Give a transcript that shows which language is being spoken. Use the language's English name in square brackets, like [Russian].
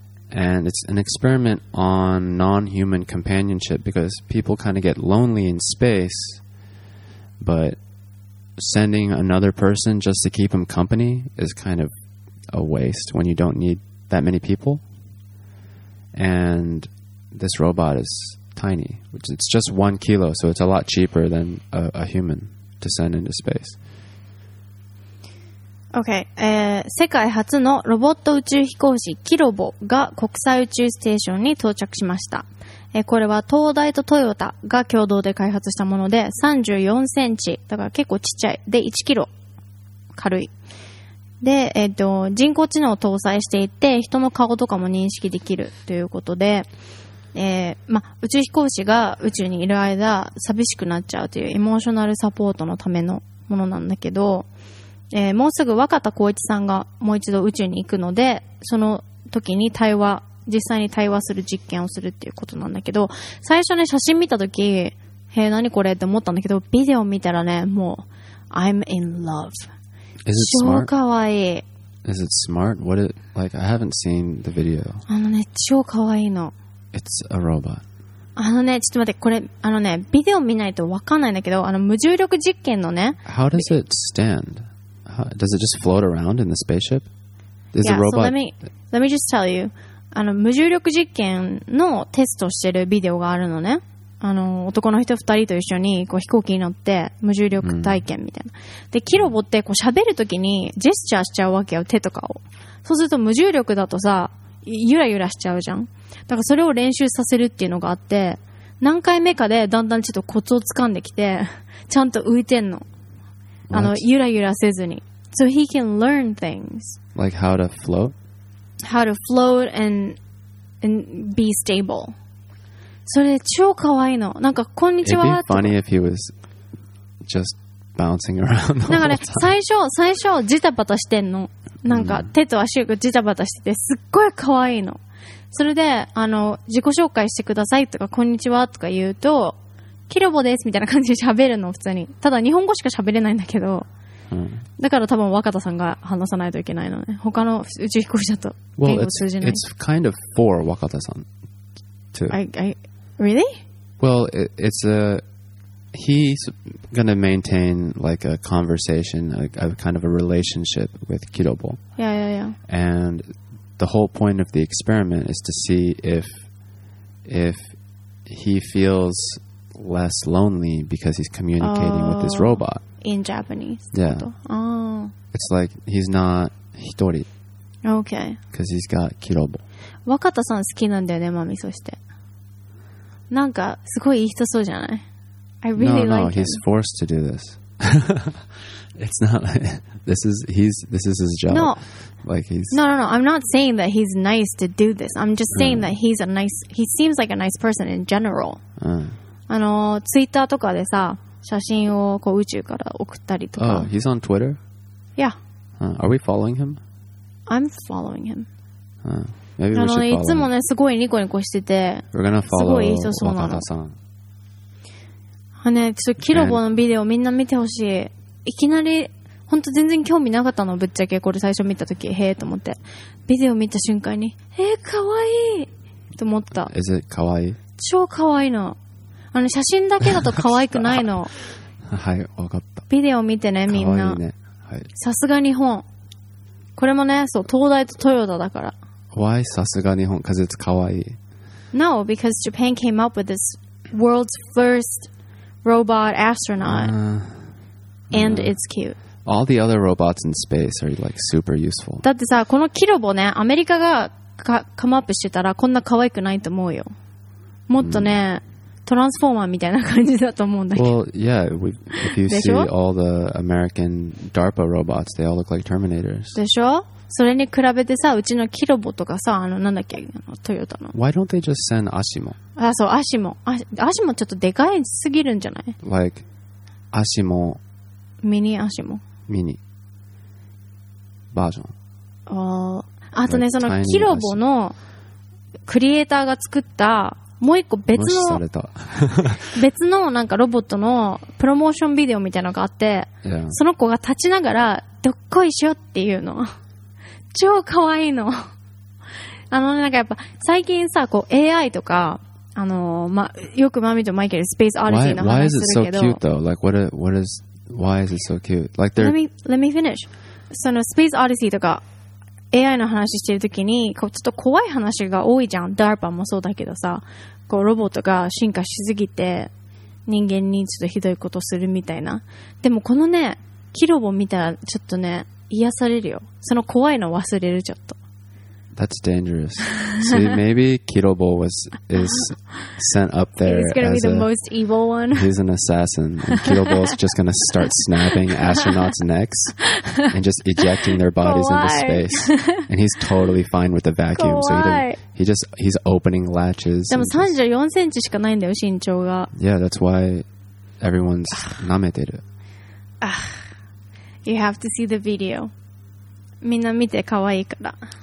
[English] And it's an experiment on non-human companionship because people kind of get lonely in space, but sending another person just to keep them company is kind of a waste when you don't need that many people. And this robot is tiny, which it's just 1 kilo, so it's a lot cheaper than a human to send into space. Okay. [Japanese] 世界初のロボット宇宙飛行士キロボが国際宇宙ステーションに到着しました。これは東大とトヨタが共同で開発したもので34センチ。だから結構ちっちゃい。で、1キロ。軽い。で、人工知能を搭載していて、人の顔とかも認識できるということで、宇宙飛行士が宇宙にいる間、寂しくなっちゃうというエモーショナルサポートのためのものなんだけど、もうすぐ若田光一さんがもう一度宇宙に行くので、その時に実際に対話する実験をするっていうことなんだけど、最初ね、写真見た時、へえ何これって思ったんだけど、ビデオ見たらね、もう [English] I'm in love。 Is it smart? [Japanese] 超かわいい。 [English] Is it smart? What it, like, I haven't seen the video。 [Japanese] あのね、超かわいいの。 [English] It's a robot。 [Japanese] あのね、ちょっと待って、これあのね、ビデオ見ないとわかんないんだけど、あの無重力実験のね、 [English] How does it standDoes it just float around in the spaceship? Is the robot? Yeah, so let me just tell you. [Japanese] あの、無重力実験のテストしてるビデオがあるのね。あの、男の人二人と一緒にこう飛行機に乗って無重力体験みたいな。で、キロボってこう喋るときにジェスチャーしちゃうわけよ、手とかを。そうすると無重力だとさ、ゆらゆらしちゃうじゃん。だからそれを練習させるっていうのがあって、何回目かでだんだんちょっとコツをつかんできて、ちゃんと浮いてんの。あの、ゆらゆらせずに。 [English] So he can learn things. Like how to float? How to float and be stable. [Japanese] それ超かわいいの。なんか、こんにちは。 [English] It'd be funny if he was just bouncing around the whole time. [Japanese] 最初、ジタバタしてんの。なんか、手と足がジタバタしてて、すっごいかわいいの。それで、あの、自己紹介してくださいとか、こんにちはとか言うと、キロボですみたいな感じで喋るの、普通に。ただ日本語しか喋れないんだけど、うん、だから多分若田さんが話さないといけないのね。他の宇宙飛行士だと言語通じない。 [English] Well, it's kind of for 若田さん too. I really? Well, it's a he's gonna maintain like a conversation, a kind of a relationship with キロボ. Yeah, yeah, yeah. And the whole point of the experiment is to see if he feelsless lonely because he's communicating with this robot. In Japanese. Yeah. Oh. It's like he's not [Japanese] hitori. [English] Okay. Because he's got Kirobo. [Japanese] Wakata-san 好きなんだよね、マミ、そして。なんか、すごいいい人そうじゃない? [English] I really like him. No, no, he's forced to do this. It's not like, this is his job. No. Like he's... No, no, no. I'm not saying that he's nice to do this. I'm just saying that he's a nice, he seems like a nice person in general. [Japanese] あのツイッターとかでさ、写真をこう宇宙から送ったりとか。 [English] Oh, he's on Twitter? Yeah. Are we following him? I'm following him. Maybe we should follow him. [Japanese] いつもね、すごいニコニコしてて、 [English] We're gonna follow [Japanese] すごい人そうなの。 [English] Wakata-san. [Japanese] あね、ちょっとキロボのビデオみんな見てほしい。いきなり、ほんと全然興味なかったの、ぶっちゃけ。これ最初見たとき、へーと思って。ビデオ見た瞬間に、へーかわいいと思った。 [English] Is it [Japanese] かわいい? 超かわいいの。あの写真だけだと可愛くないの。はい、わかった。ビデオ見てね、みんな。可愛いね。はい。さすが日本。これもね、そう、東大とトヨタだから。 [English] Why [Japanese] さすが日本? [English] Because it's [Japanese] 可愛い。 [English] No, because Japan came up with this world's first robot astronaut. And it's cute. All the other robots in space are like super useful. [Japanese] だってさ、このキロボね、アメリカがカムアップしてたら、こんな可愛くないと思うよ。もっとね、トランスフォーマーみたいな感じだと思うんだけど。 [English] Well, yeah, if you see all the American DARPA robots, they all look like Terminators. [Japanese] でしょ？それに比べてさ、うちのキロボとかさ、あのなんだっけ、あのトヨタの。 [English] Why don't they just send アシモ？ [Japanese] あ、そう、アシモ。アシモちょっとでかいすぎるんじゃない？ [English] Like, アシモ。 [Japanese] ミニアシモ。ミニ。バージョン。あとね、そのキロボのクリエイターが作った、もう一個別の、別のなんかロボットのプロモーションビデオみたいなのがあって、 [English] yeah. [Japanese] その子が立ちながら、どっこいしょっていうの。超かわいいの。あのね、なんかやっぱ、最近さ、こう AI とか、ま、よくマミとマイケル、スペースアルティの話するけど。 [English] Why is it so cute though? Like, what is, why is it so cute? Like, they're... Let me finish. [Japanese] そのスペースアルティとか、AI の話してるときに、こう、ちょっと怖い話が多いじゃん。 DARPA もそうだけどさ、こう、ロボットが進化しすぎて、人間にちょっとひどいことするみたいな。でもこのね、キロボ見たら、ちょっとね、癒されるよ。その怖いの忘れる、ちょっと。 [English] That's dangerous. See, maybe Kirobo is sent up there. He's gonna be the most evil one. He's an assassin, and Kirobo is just gonna start snapping astronauts' necks and just ejecting their bodies into space. And he's totally fine with the vacuum. So he's opening latches. [Japanese] でも34センチしかないんだよ、身長が。 [English] Yeah, that's why everyone's [Japanese] 舐めてる。 [English] You have to see the video. [Japanese] みんな見て、可愛いから。